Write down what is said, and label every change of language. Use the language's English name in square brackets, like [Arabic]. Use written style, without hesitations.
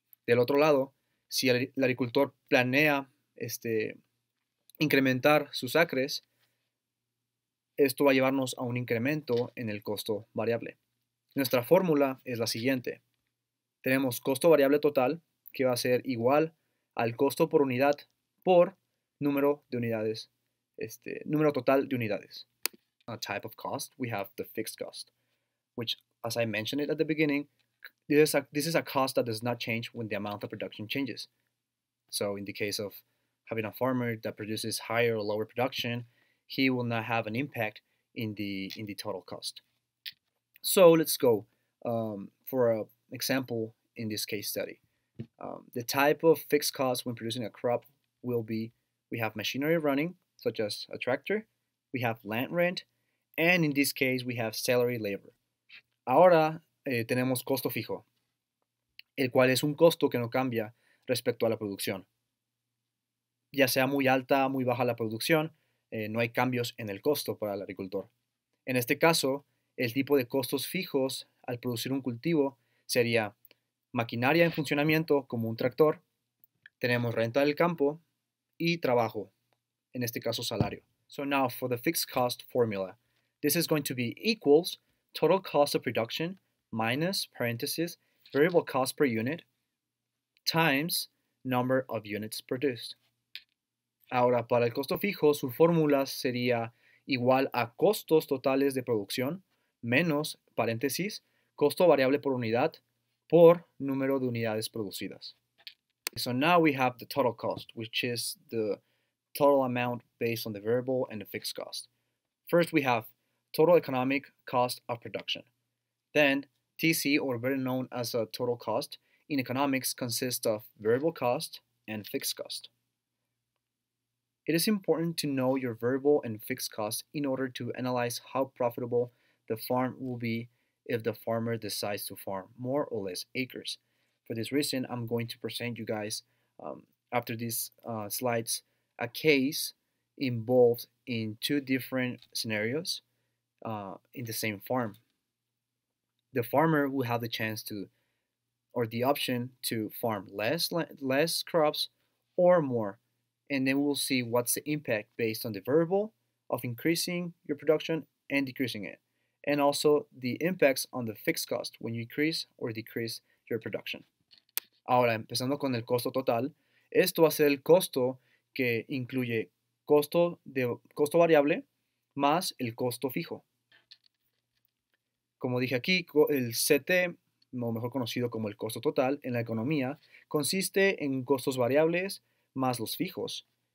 [Spanish] Del otro lado, si el agricultor planea incrementar sus acres, esto va a llevarnos a un incremento en el costo variable. Nuestra fórmula es la siguiente. Tenemos costo variable total, que va a ser igual al costo por unidad por número de unidades, número total de unidades. [English] A type of cost, we have the fixed cost, which, as I mentioned it at the beginning, this is a cost that does not change when the amount of production changes. So in the case of having a farmer that produces higher or lower production, he will not have an impact in the total cost. So let's go for an example in this case study. The type of fixed cost when producing a crop will be, we have machinery running, such as a tractor, we have land rent, and in this case, we have salary labor. [Spanish] Ahora tenemos costo fijo, el cual es un costo que no cambia respecto a la producción. Ya sea muy alta, muy baja la producción, no hay cambios en el costo para el agricultor. En este caso, el tipo de costos fijos al producir un cultivo sería maquinaria en funcionamiento, como un tractor, tenemos renta del campo y trabajo, en este caso salario. [English] So now for the fixed cost formula. This is going to be equals total cost of production minus parentheses variable cost per unit times number of units produced. [Spanish] Ahora, para el costo fijo, su fórmula sería igual a costos totales de producción menos, paréntesis, costo variable por unidad por número de unidades producidas. [English] So now we have the total cost, which is the total amount based on the variable and the fixed cost. First, we have total economic cost of production. Then, TC, or better known as a total cost, in economics consists of variable cost and fixed cost. It is important to know your variable and fixed cost in order to analyze how profitable the farm will be if the farmer decides to farm more or less acres. For this reason, I'm going to present you guys, after these slides, a case involved in two different scenarios in the same farm. The farmer will have the chance to, or the option to farm less crops or more. And then we'll see what's the impact based on the variable of increasing your production and decreasing it. And also the impacts on the fixed cost when you increase or decrease your production. [Spanish] Ahora, empezando con el costo total, esto va a ser el costo que incluye costo variable más el costo fijo. Como dije aquí, el CT, o mejor conocido como el costo total en la economía, consiste en costos variables más los fijos.